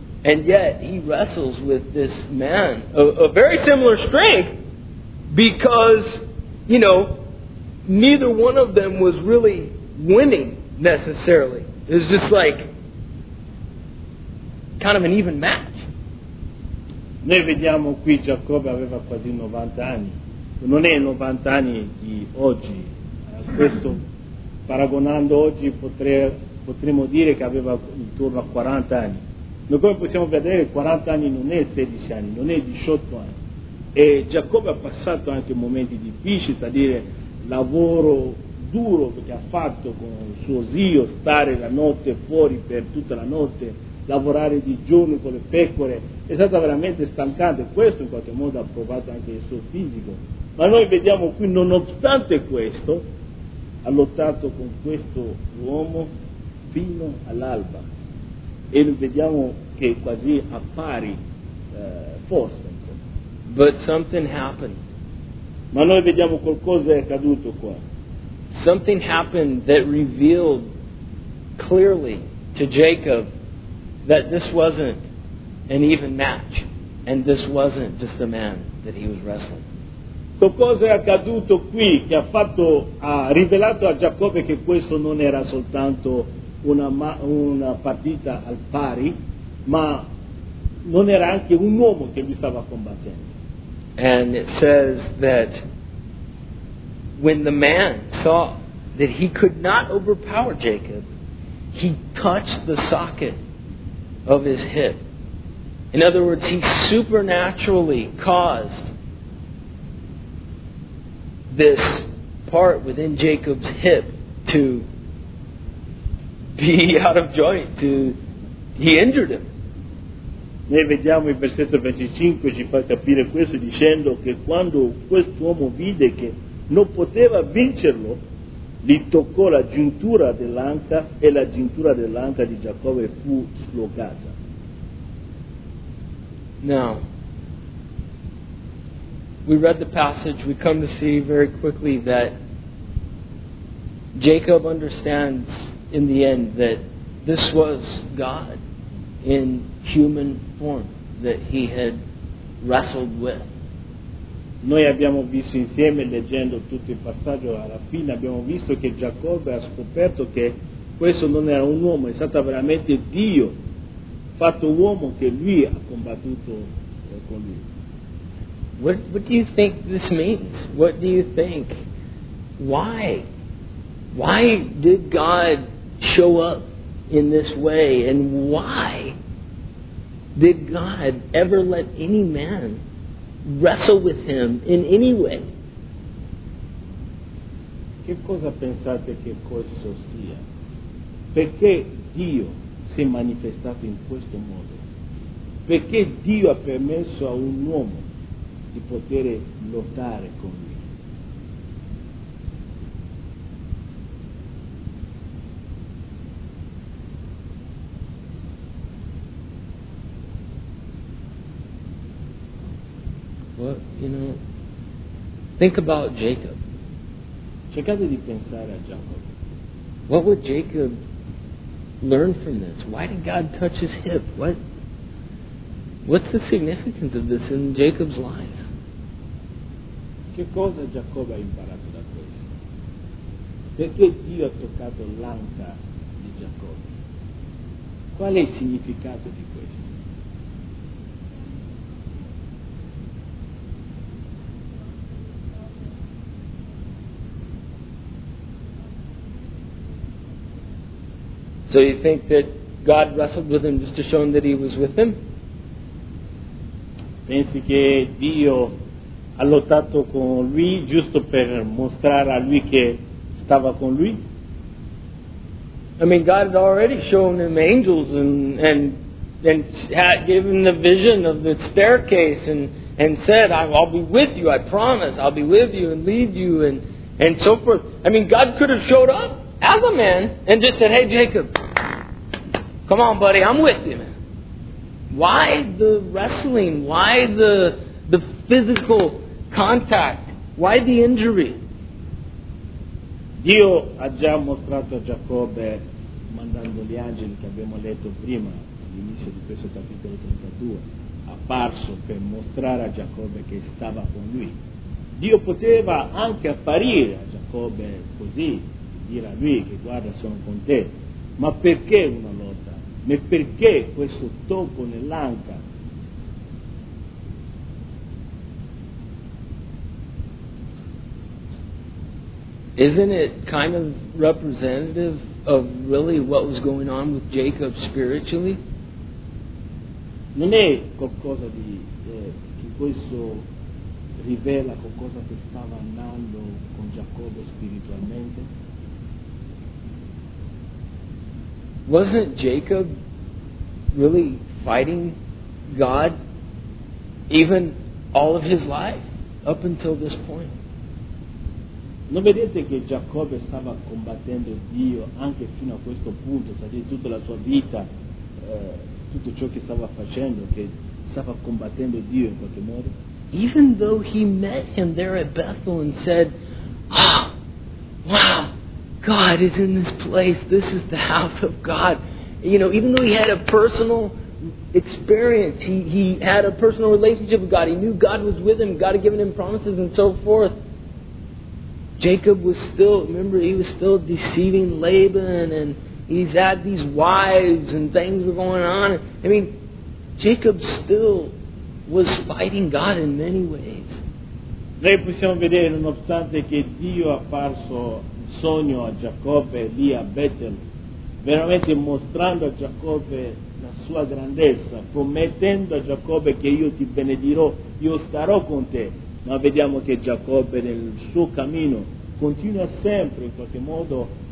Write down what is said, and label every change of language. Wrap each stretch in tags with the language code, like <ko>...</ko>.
<en>And yet he wrestles with this man of a very similar strength because, you know, neither one of them was really winning necessarily. It was just like kind of an even match.</en> <it>Noi vediamo qui Giacobbe aveva quasi 90 anni. Non è 90 anni di oggi. Questo paragonando oggi potremmo dire che aveva intorno a 40 anni. Noi come possiamo vedere 40 anni non è 16 anni, non è 18 anni. E Giacobbe ha passato anche momenti difficili, a dire lavoro duro che ha fatto con suo zio, stare la notte fuori per tutta la notte, lavorare di giorno con le pecore, è stata veramente stancante. Questo in qualche modo ha provato anche il suo fisico, ma noi vediamo qui nonostante questo ha lottato con questo uomo fino all'alba e vediamo che è quasi a pari forse, insomma.</it> <en>But something happened.</en> <it>Ma noi vediamo qualcosa è accaduto qua.</it> <en>Something happened that revealed clearly to Jacob that this wasn't an even match and this wasn't just a man that he was wrestling.</en> <it>Qualcosa è accaduto qui che ha rivelato a Giacobbe che questo non era soltanto una partita al pari, ma non era anche un uomo che gli stava combattendo.</it> <en>And it says that when the man saw that he could not overpower Jacob, he touched the socket of his hip. In other words, he supernaturally caused this part within Jacob's hip to be out of joint. He injured him.</en> <it>Noi vediamo il versetto 25 ci fa capire questo dicendo che quando quest'uomo vide che non poteva vincerlo, gli toccò la giuntura dell'anca e la giuntura dell'anca di Giacobbe fu slogata.</it> <en>Now, we read the passage, we come to see very quickly that Jacob understands in the end that this was God in human form that he had wrestled with.</en> <it>Noi abbiamo visto insieme, leggendo tutto il passaggio alla fine, abbiamo visto che Giacobbe ha scoperto che questo non era un uomo, è stato veramente Dio fatto uomo che lui ha combattuto con lui.</it> <en>What do you think this means? What do you think? Why? Why did God show up in this way? And why did God ever let any man wrestle with him in any way?</en> <it>Che cosa pensate che questo sia? Perché Dio si è manifestato in questo modo? Perché Dio ha permesso a un uomo di poter lottare con lui?</it> <en>You know, think about Jacob.</en> <it>Cercate di pensare a Jacob.</it> <en>What would Jacob learn from this? Why did God touch his hip? What's the significance of this in Jacob's life?</en> <it>Che cosa Giacobbe ha imparato da questo? Perché Dio ha toccato l'anca di Giacobbe? Qual è il significato di questo?</it> <en>So you think that God wrestled with him just to show him that he was with him?</en> <it>Pensi che Dio ha lottato con lui giusto per mostrare a lui che stava con lui?</it> <en>I mean, God had already shown him angels and had given the vision of the staircase and said, I'll be with you, I promise, I'll be with you and lead you and so forth. I mean, God could have showed up as a man and just said, hey, Jacob, come on, buddy, I'm with you, man. Why the wrestling? Why the physical contact? Why the injury?</en> <it>Dio ha già mostrato a Giacobbe, mandando gli angeli che abbiamo letto prima, all'inizio di questo capitolo 32, apparso per mostrare a Giacobbe che stava con lui. Dio poteva anche apparire a Giacobbe così, dire a lui che guarda, sono con te. Ma perché una lotta? Ma perché questo tocco nell'anca?</it> <en>Isn't it kind of representative of really what was going on with Jacob spiritually?</en> <it>Non è qualcosa di che questo rivela qualcosa che stava andando con Giacobbe spiritualmente?</it> <en>Wasn't Jacob really fighting God even all of his life up until this point?</en> <it>Non vedete che Giacobbe stava combattendo Dio anche fino a questo punto, cioè tutta la sua vita, tutto ciò che stava facendo, che stava combattendo Dio in qualche modo?</it> <en>Even though he met him there at Bethel and said, ah, wow, God is in this place, this is the house of God. You know, even though he had a personal experience, he had a personal relationship with God, he knew God was with him, God had given him promises and so forth, Jacob was still, remember, he was still deceiving Laban, and he's had these wives and things were going on. I mean, Jacob still was fighting God in many ways.</en> <it>Noi possiamo vedere, nonostante che Dio ha apparso in sogno a Giacobbe lì a Betel, veramente mostrando a Giacobbe la sua grandezza, promettendo a Giacobbe che io ti benedirò, io starò con te, ma vediamo che Giacobbe nel suo cammino continua sempre in qualche modo</it>